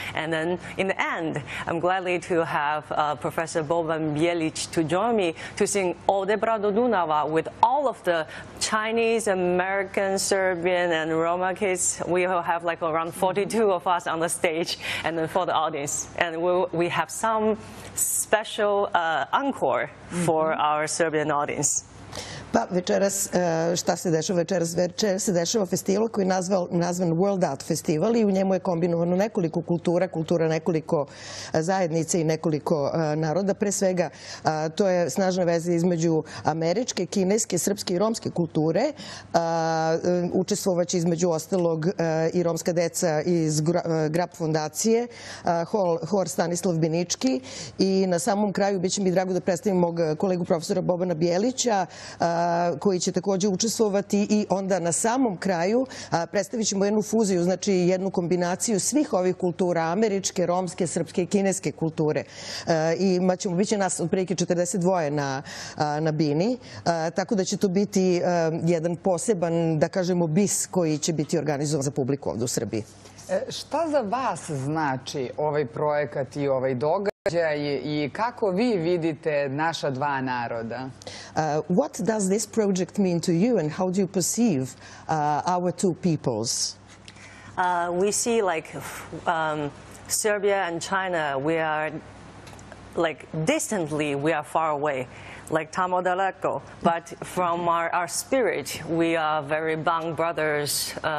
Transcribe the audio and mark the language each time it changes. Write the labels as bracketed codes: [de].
[en] And then in the end, I'm gladly to have Professor Boban Bielic to join me to sing Ode Brado Dunava with all of the Chinese, American, Serbian, and Roma kids. We will have like around 42 of us on the stage and then for the audience. And we have some special encore for our Serbian audience. [sr] Pa večeras, šta se dešava večeras? Večeras se dešava festival koji je nazvan World Art Festival i u njemu je kombinovano nekoliko kultura, kultura nekoliko zajednice i nekoliko naroda. Pre svega, to je snažna veza između američke, kineske, srpske i romske kulture. Učestvovaće između ostalog i romska deca iz Grab fondacije, hor Stanislav Binički. I na samom kraju biće mi drago da predstavim mog kolegu profesora Bobana Bjelića, koji će takođe učestvovati i onda na samom kraju predstavit ćemo jednu fuziju, znači jednu kombinaciju svih ovih kultura, američke, romske, srpske i kineske kulture. I bit će nas otprilike 42 na bini, tako da će to biti jedan poseban, da kažemo, bis koji će biti organizovan za publiku ovde u Srbiji. Šta za vas znači ovaj projekat i ovaj događaj? I kako vi vidite naša dva naroda? [en] What does this project mean to you and how do you perceive our two peoples? We see like Serbia and China, we are like distantly, we are far away, like [sr] tamo daleko, [en] but from our spirit, we are very bound brothers.